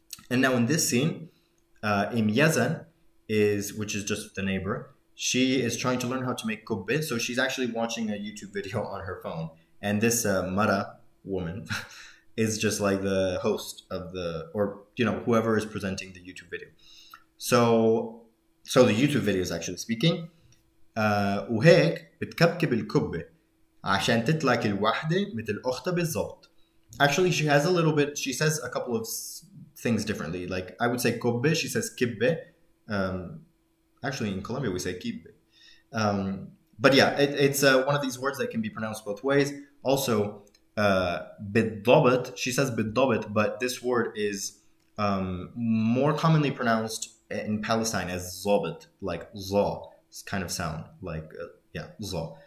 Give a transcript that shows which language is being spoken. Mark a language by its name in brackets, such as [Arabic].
[English] And now in this scene, im yazan, which is just the neighbor, she is trying to learn how to make kubbe. So she's actually watching a YouTube video on her phone. And this Mara woman is just like the host of the, or, you know, whoever is presenting the YouTube video. So the YouTube video is actually speaking. [Arabic] وهيك بتكبكب الكبة عشان تطلع كل واحدة مثل أختها بالضبط. [English] Actually, she has a little bit, she says a couple of things differently. Like, I would say kubbe, she says kibbe. Actually, in Colombia, we say kibbe. But yeah, it's one of these words that can be pronounced both ways. Also, bidobet, she says bidobet, but this word is more commonly pronounced in Palestine as zobet, like za, kind of sound, like, yeah, za.